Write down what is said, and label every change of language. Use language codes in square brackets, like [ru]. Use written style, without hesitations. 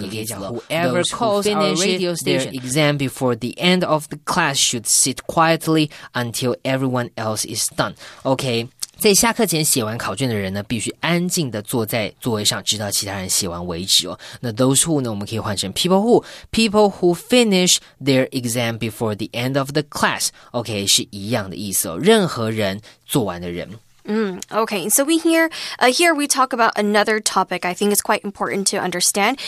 [en] whoever calls our radio station their exam before the end of the class should sit quietly until everyone else is done. Okay, [zh] 在下课前写完考卷的人呢，必须安静的坐在座位上，直到其他人写完为止哦。那 [en] those who [zh] 呢，我们可以换成 [en] people who finish their exam before the end of the class. Okay, [zh] 是一样的意思哦。任何人做完的人。 [en] Okay, so here we talk about another topic I think is quite important to understand.